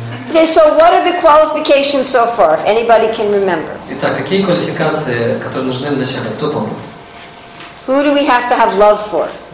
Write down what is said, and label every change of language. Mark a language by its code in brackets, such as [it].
[en] Okay, so what are the qualifications so far, if anybody can remember? [ru] Итак, какие квалификации, которые нужны вначале? Кто помнит? [en] Who do we have to have love for?